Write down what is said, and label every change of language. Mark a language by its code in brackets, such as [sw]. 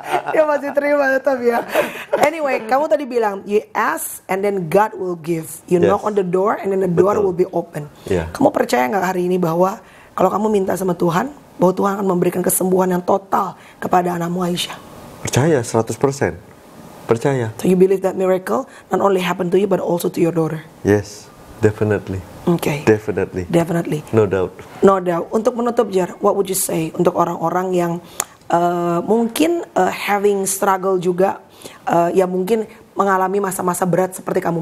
[id] Ya masih terima tetap ya. Anyway, kamu tadi bilang [en] you ask and then God will give. You, yes, knock on the door and then the door, [id] betul, [en] will be open. Yeah. [id] Kamu percaya enggak hari ini bahwa kalau kamu minta sama Tuhan, bahwa Tuhan akan memberikan kesembuhan yang total kepada anakmu Aisyah? Percaya, 100%. Percaya. [en] So you believe that miracle not only happened to you but also to your daughter? Yes, definitely. Okay. Definitely. Definitely. No doubt. No doubt. [id] Untuk menutup, Jer, [en] what would you say [id] untuk orang-orang yang [en] having struggle [id] juga, ya mungkin mengalami masa-masa berat seperti kamu.